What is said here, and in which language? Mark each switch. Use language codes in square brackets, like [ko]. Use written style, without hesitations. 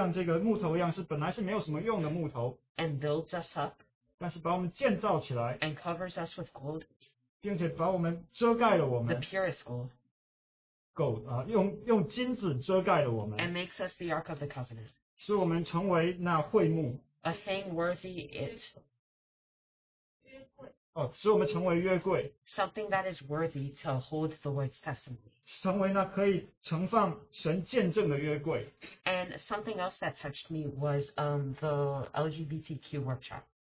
[zh] 他把我们取来，就是像这个木头一样，是本来是没有什么用的木头。 [en] And builds us up. [zh] 但是把我们建造起来。 [en] And covers us with gold. [zh] 并且把我们遮盖了我们。 [en] The purest gold. Gold, [zh] 用金子遮盖了我们。 [en] And makes us the Ark of the Covenant. [zh] 使我们成为那会幕。 [en] A thing worthy it. [zh] 使我们成为约柜。 [en] Something that is worthy to hold the Lord's testimony. [zh] 成为那可以盛放神见证的约柜. [en] And something else that touched me was the LGBTQ workshop.